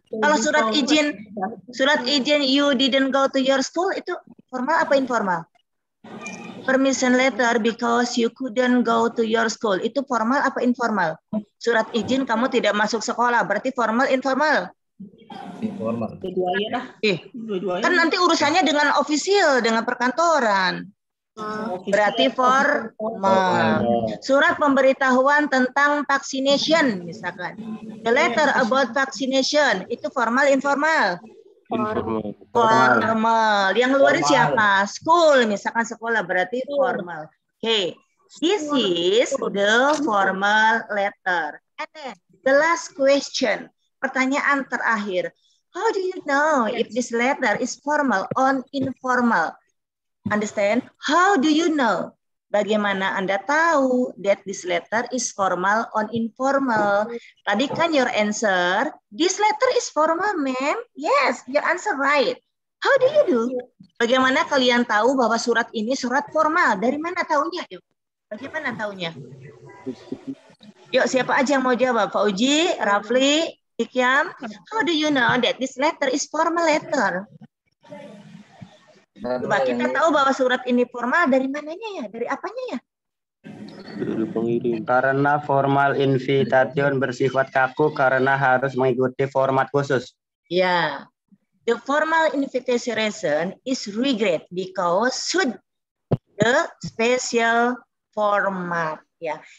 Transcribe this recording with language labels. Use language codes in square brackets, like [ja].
[id] Kalau surat izin [en] you didn't go to your school, [id] itu formal apa informal? [en] Permission letter because you couldn't go to your school. [id] Itu formal apa informal? Surat izin kamu tidak masuk sekolah. Berarti formal, informal? Informal. Dua-duanya lah. Kan nanti urusannya dengan official, dengan perkantoran. Berarti formal. Surat pemberitahuan tentang vaccination, misalkan. [en] The letter about vaccination, itu formal, informal? Formal. [id] Yang ngeluarin siapa? School, misalkan sekolah, berarti formal. Okay. [en] This is the formal letter. And then, the last question. [id] Pertanyaan terakhir. [en] How do you know if this letter is formal or informal? Understand? How do you know? [id] Bagaimana Anda tahu [en] that this letter is formal or informal? [id] Tadi kan [en] your answer, this letter is formal, ma'am. Yes, your answer right. How do you do? [id] Bagaimana kalian tahu bahwa surat ini surat formal? Dari mana tahunya? Yuk, bagaimana tahunya? Yuk, siapa aja yang mau jawab? Pak Uji, Rafli, Ikyam. [en] How do you know that this letter is formal letter? [id] Coba kita tahu bahwa surat ini formal dari mananya ya? Dari apanya ya? Dari pengirim. Karena formal invitation bersifat kaku karena harus mengikuti format khusus. [en] Ya. The formal invitation reason is regret because should the special format. Ya.